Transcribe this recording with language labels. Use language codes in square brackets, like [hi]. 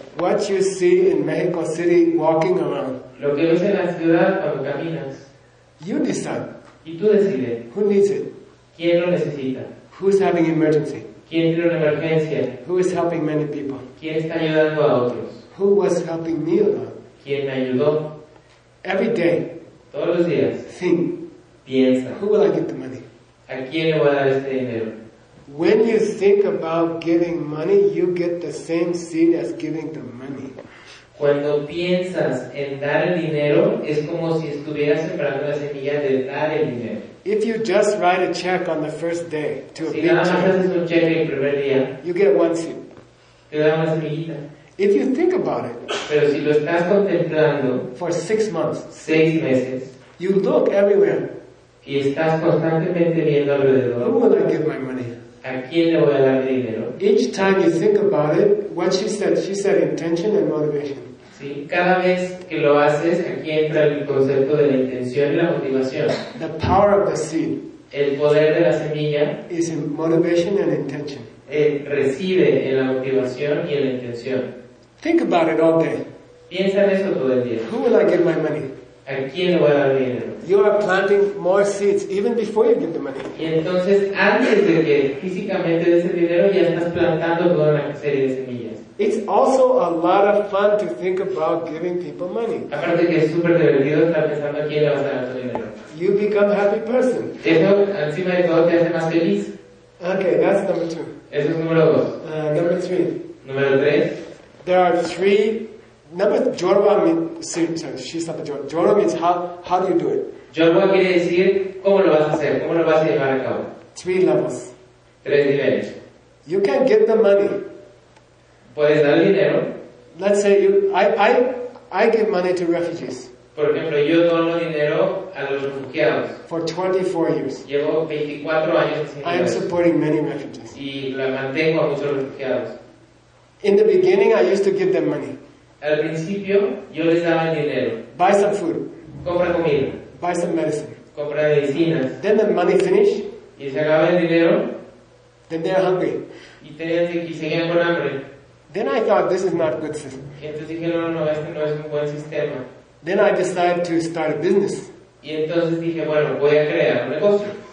[en] What you see in Mexico City walking around. [es] Lo que ves en la ciudad cuando caminas. [en] You decide. [es] Y tú decides. [en] Who needs it? [es] ¿Quién lo necesita? [en] Who's having emergency? [es] ¿Quién tiene una emergencia? [en] Who is helping many people? [es] ¿Quién está ayudando a otros? [en] Who was helping me alone? [es] ¿Quién me ayudó? [en] Every day. [es] Todos los días. [en] Think. [es] Piensa. [en] Who will I give the money? [es] ¿A quién le voy a dar este dinero? [en] When you think about giving money, you get the same seed as giving the money. [es] Cuando piensas en dar el dinero, es como si estuvieras sembrando la semilla de dar el dinero. [en] If you just write a check on the first day to [es] si [en] a big [es] nada más [en] check, [es] haces un cheque el primer día, [en] you get one seed. [es] Te da una semillita. [en] If you think about it, [es] pero si lo estás contemplando, [en] for 6 months, [es] 6 meses, [en] you look everywhere, [es] y estás constantemente viendo alrededor, [en] who will I give my money? [es] ¿A quién le voy a dar mi dinero? [en] Each time you think about it, what she said intention and motivation. [es] Sí, cada vez que lo haces, aquí entra el concepto de la intención y la motivación. [en] The power of the seed. [es] El poder de la semilla [en] is in motivation and intention. [es] Reside en la motivación y en la intención. [en] Think about it all day. [es] Piensa en eso todo el día. [en] Who will I give my money? [es] ¿A quién le voy a dar dinero? [en] You are planting more seeds even before you give the money. [es] Y entonces, antes de que físicamente des el dinero, ya estás plantando toda una serie de semillas. [en] It's also a lot of fun to think about giving people money. [es] Aparte que es súper divertido estar pensando a quién le vas a dar tu dinero. [en] You become a happy person. [es] Eso, encima de todo, te hace más feliz. [en] Okay, that's number two. [es] Eso es número dos. Número tres. [en] There are three. Jorba means how do you do it? [es] Jorba quiere decir cómo lo vas a hacer, cómo lo vas a llevar a cabo. [en] Three levels. [es] Tres niveles. [en] You can get the money. [es] Puedes dar dinero. [en] Let's say I give money to refugees. [es] Por ejemplo, yo dono dinero a los refugiados. [en] For 24 years. [es] Llevo 24 años sin dinero. [en] I am supporting many refugees. [es] Y la mantengo a muchos refugiados. [en] In the beginning, I used to give them money. [es] Al principio, yo les daba el dinero. [en] Buy some food. [es] Compra comida. [en] Buy some medicine. [es] Compra medicinas. [en] Then the money finish. [es] Y se acaba el dinero. [en] Then they are hungry. [es] Y seguían con hambre. [en] Then I thought, this is not good system. [es] Y entonces dije, no, este no es un buen sistema. [en] Then I decided to start a business. [es] Y entonces dije, bueno, voy a crear un negocio.